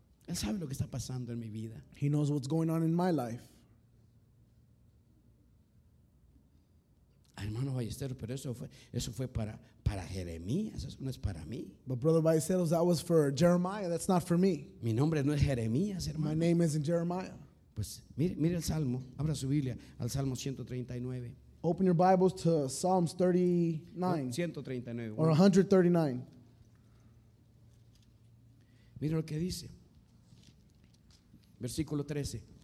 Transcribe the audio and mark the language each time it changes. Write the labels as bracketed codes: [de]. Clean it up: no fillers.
[es] Él sabe lo que está pasando en mi vida. [en] He knows what's going on in my life. [es] Hermano Ballesteros, pero eso fue para Jeremías, eso no es para mí. [en] But Brother Ballesteros, that was for Jeremiah, that's not for me. [es] Mi nombre no es Jeremías, hermano. [en] My name isn't Jeremiah. [es] Pues mire el Salmo, abra su Biblia al Salmo 139. [en] Open your Bibles to Psalms 139. Or 139. [es] Mira lo que dice. Versículo 13.